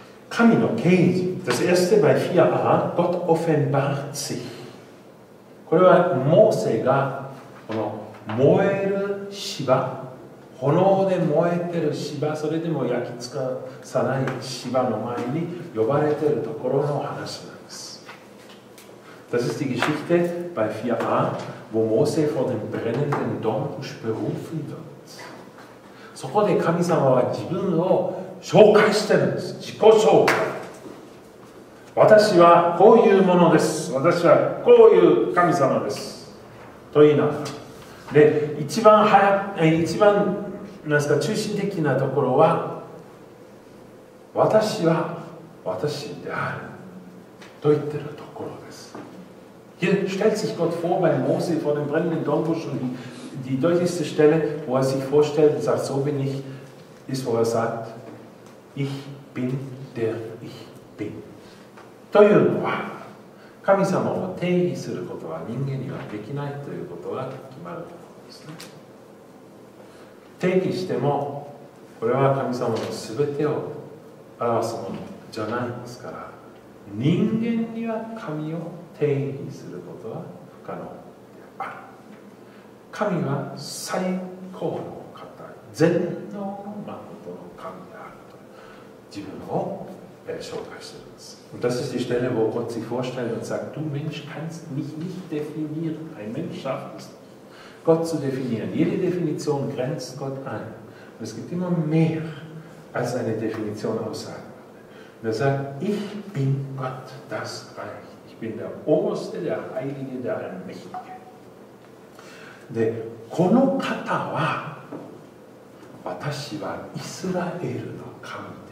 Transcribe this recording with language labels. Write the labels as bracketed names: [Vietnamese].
[Japanese] 神の啓示、 [German] Das erste bei 4a, Gott offenbart sich. [Japanese] これはモーセがこの燃える芝、炎で燃えてる芝、それでも焼き尽くさない芝の前に呼ばれてるところの話なんです。 [German] Das ist die Geschichte bei 4a, wo Mose vor dem brennenden Dornbusch berufen wird. [Japanese] そこで神様は自分を紹介してるんです。自己紹介。私はこういうものです。私はこういう神様です。と言いながら。で、一番なんですか中心的なところは、私は私である。と言ってるところです。 [German] Hier stellt sich Gott vor bei Mose vor dem brennenden Dornbusch und die deutlichste Stelle, wo er sich vorstellt und sagt, so bin ich, ist, wo er sagt,Ich bin der Ich bin. [Japanese] というのは、神様を定義することは人間にはできないということが決まるところですね。定義しても、これは神様の全てを表すものじゃないですから、人間には神を定義することは不可能である。神は最高の方、全能の誠の神である。自分を紹介しています。 [German] Und das ist die Stelle, wo Gott sich vorstellt und sagt: Du Mensch kannst mich nicht definieren. Ein Mensch schafft es nicht, Gott zu definieren. Jede Definition grenzt Gott ein. Und es gibt immer mehr, als eine Definition aussagen kann. Und er sagt: Ich bin Gott, das reicht. Ich bin der Oberste, der Heilige, der Allmächtige. [Japanese] で、この方は、私はイスラエルの神。